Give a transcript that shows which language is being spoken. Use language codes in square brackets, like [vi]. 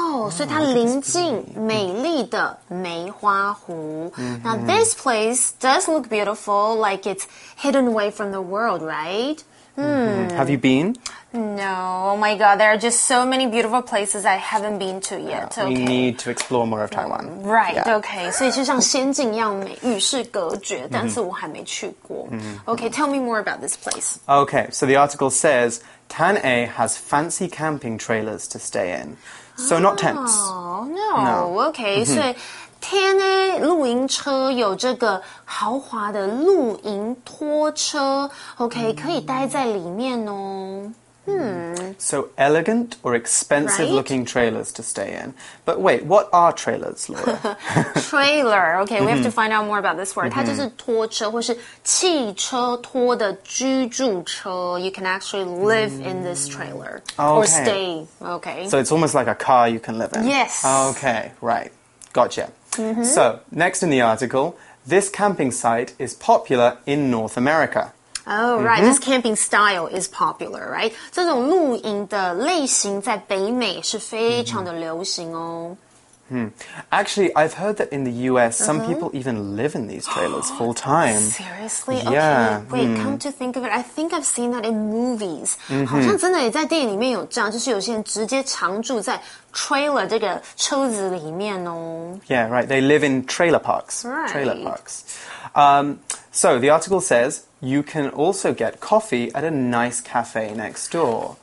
[zh] 所以它临近美丽的梅花湖。 [en] Now, this place does look beautiful, like it's hidden away from the world, right? Have you been? No, oh my god, there are just so many beautiful places I haven't been to yet. Yeah, we need to explore more of Taiwan. Right, okay. [zh] 所以就像仙境一样美，与世隔绝，但是我还没去过。 [en] Okay, tell me more about this place. Okay, so the article says, Tan A has fancy camping trailers to stay in. So not tents. [zh] Okay. So, Tan A 露营车有这个豪华的露营拖车 Okay, 可以待在里面哦。 [en] So elegant or expensive looking trailers to stay in. But wait, what are trailers, Laura? Trailer. Okay, we have to find out more about this word. [zh] 它就是拖车或是汽车拖的居住车 [en] You can actually live in this trailer. Or stay. Okay. So it's almost like a car you can live in. Yes. Okay, right. Gotcha. So next in the article, this camping site is popular in North America. Right, this camping style is popular, right? [zh] 这种露营的类型在北美是非常的流行哦。 [en] Actually, I've heard that in the US, some people even live in these trailers full time. Seriously? Yeah. Okay, wait, come to think of it, I think I've seen that in movies. [zh] 好像真的也在电影里面有这样，就是有些人直接常住在trailer 这个车子里面哦。 [en] Yeah, right, they live in trailer parks. Right. Trailer parks. So, the article says... You can also get coffee at a nice cafe next door.